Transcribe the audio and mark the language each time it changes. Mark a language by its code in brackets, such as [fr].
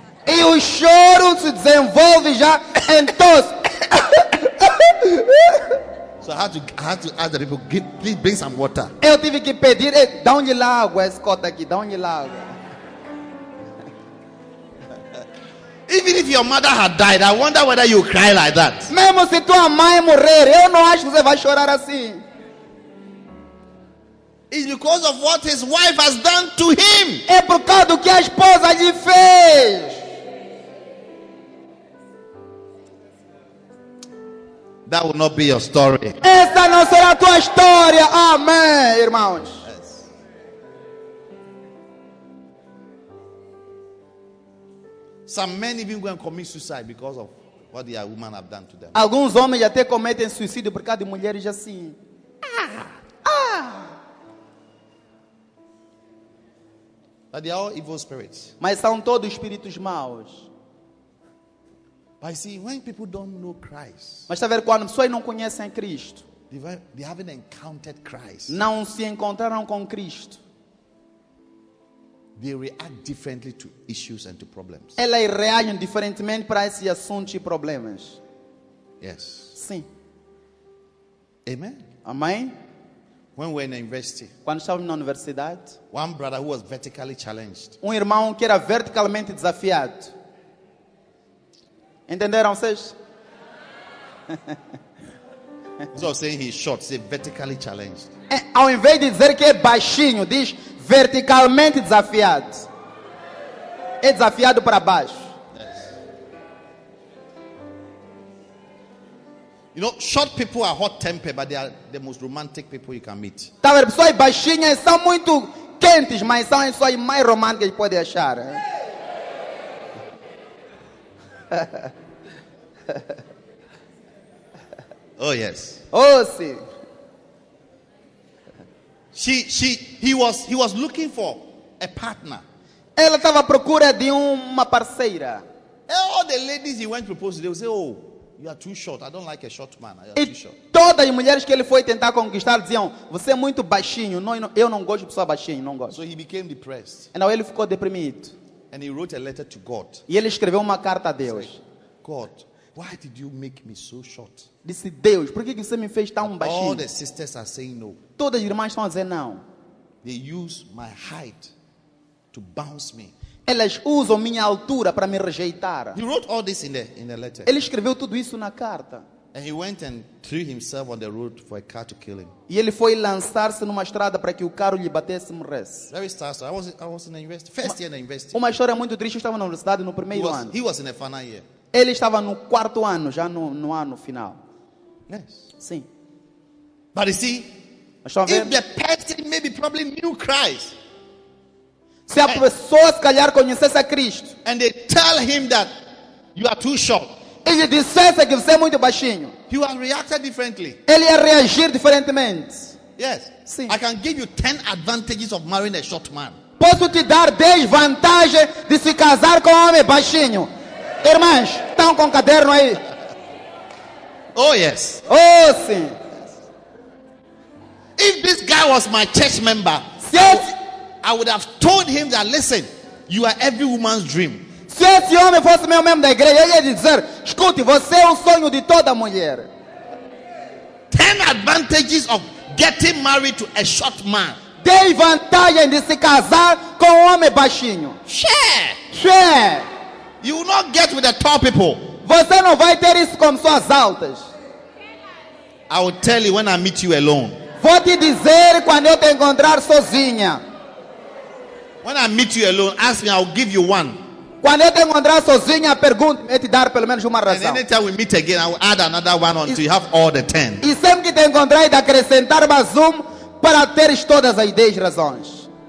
[pt] E o choro se desenvolve já em tosse. [en] So I had to ask the people, please bring some water. [pt] Eu tive que pedir, dá-lhe lá água, escota aqui, dá-lhe lá água. [en] Even if your mother had died, I wonder whether you cry like that. [pt] Mesmo se tua mãe morrer, eu não acho que você vai chorar assim. [en] It's because of what his wife has done to him. [pt] É por causa do que a esposa lhe fez. [en] That will not be your story. [pt] Essa não será a tua história. Amém, irmãos. [en] Yes. Some men even go and commit suicide because of what their women have done to them. [pt] Alguns homens até cometem suicídio por causa de mulheres assim. Ah. [en] But they are all evil spirits. [pt] Mas são todos espíritos maus. [en] But see, when people don't know Christ, [pt] mas está a ver quando pessoas não conhecem Cristo, [en] they haven't encountered Christ. [pt] Não se encontraram com Cristo. [en] They react differently to issues and to problems. [pt] Elas reagem diferentemente para esses assuntos e problemas. [en] Yes. [pt] Sim. [en] Amen. [pt] Amém. [en] When we were in university, [pt] quando estávamos na universidade, [en] one brother who was vertically challenged, [pt] um irmão que era verticalmente desafiado. Entenderam vocês? [en] So saying he's short, say vertically challenged. [pt] Ao invés de dizer que é baixinho, diz verticalmente desafiado. É desafiado para baixo. [en] Yes. You know, short people are hot tempered, but they are the most romantic people you can meet. [pt] Tá vendo? Pessoas baixinhas são muito quentes, mas são as pessoas mais românticas que pode achar. Hein? [en] Oh yes. [pt] Oh sim. [en] He was looking for a partner. [pt] Ela estava à procura de uma parceira. [en] And all the ladies he went to propose, they would say, "Oh, you are too short. I don't like a short man. You are [pt] e [en] too short." [pt] Todas as mulheres que ele foi tentar conquistar diziam, "Você é muito baixinho. Não, eu não gosto de pessoa baixinha, não gosto." [en] So he became depressed. And now [pt] ele ficou deprimido. [en] And he wrote a letter to God. [pt] E ele escreveu uma carta a Deus. [en] God, why did you make me so short? [pt] Disse Deus, por que você me fez tão baixinho? [en] All the sisters are saying no. [pt] Todas as irmãs estão a dizer não. [en] They use my height to bounce me. [pt] Elas usam minha altura para me rejeitar. [en] He wrote all this in the letter. [pt] Ele escreveu tudo isso na carta. [en] And he went and threw himself on the road for a car to kill him. [pt] E ele foi lançar-se numa estrada para que o carro lhe batesse e morresse. [en] Very sad. I was in the university. First year in the university. [pt] Uma história muito triste. Eu estava na universidade no primeiro ano. [en] He was in the final year. [pt] Ele estava no quarto ano, já no ano final. [en] Yes. [pt] Sim. [en] But you see, if the person maybe probably knew Christ, [pt] se a pessoa se calhar conhecesse a Cristo, [en] and they tell him that you are too short, [pt] ele dissesse que você é muito baixinho, [en] he would react differently. [pt] Ele ia reagir diferentemente. [en] Yes. [pt] Sim. [en] I can give you 10 advantages of marrying a short man. [pt] Posso te dar 10 vantagens de se casar com um homem baixinho. Irmãs, estão com caderno aí? [en] Oh yes. [pt] Oh sim. [en] If this guy was my church member, yes, I would have told him that, listen, you are every woman's dream. [pt] Se esse homem fosse meu membro da igreja, eu ia dizer, escute, você é o sonho de toda mulher. [en] 10 advantages of getting married to a short man. [pt] 10 vantagens de se casar com um homem baixinho. [en] Share. You will not get with the tall people. [pt] Você não vai ter isso com suas altas. [en] I will tell you when I meet you alone. [pt] Vou te dizer quando eu te encontrar sozinha. [en] When I meet you alone, ask me, I will give you one. [pt] Quando eu te encontrar sozinha, pergunte, eu te dar pelo menos uma razão. [en] And anytime we meet again, I will add another one until you have all the 10. [pt] E sempre que te encontrar, eu acrescentar mais um para teres todas as 10 razões.